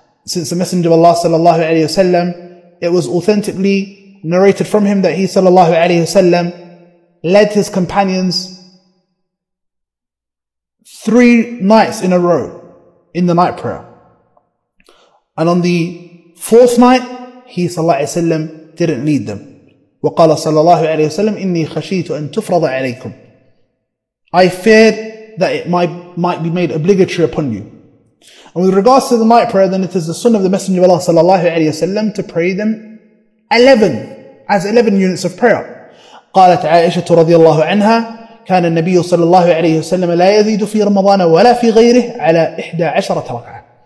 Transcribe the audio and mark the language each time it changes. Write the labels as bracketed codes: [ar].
[en] Since the Messenger of Allah sallallahu alayhi wa sallam, it was authentically narrated from him that he sallallahu alayhi wa sallam led his companions 3 nights in a row in the night prayer. And on the fourth night, he sallallahu alayhi wa sallam didn't lead them. [ar] وَقَالَ sallallahu alayhi wa sallam, إِنِّي خَشِيتُ أَن تُفْرَضَ عَلَيْكُمْ. [en] I feared that it might be made obligatory upon you. And with regards to the night prayer, then it is the sunnah of the Messenger of Allah sallallahu alayhi wa sallam to pray them 11, as 11 units of prayer. [ar] قَالَتْ عَائِشَةُ رَضِيَ اللَّهُ عَنْهَا كَانَ النَّبِيُّ صَلَى اللَّهُ عَلَيْهِ وَسَلَّمَ لَا يَذِيدُ فِي رَمَضَانَ وَلَا فِي غَيْرِهِ عَلَى 11 رَكْعَةً.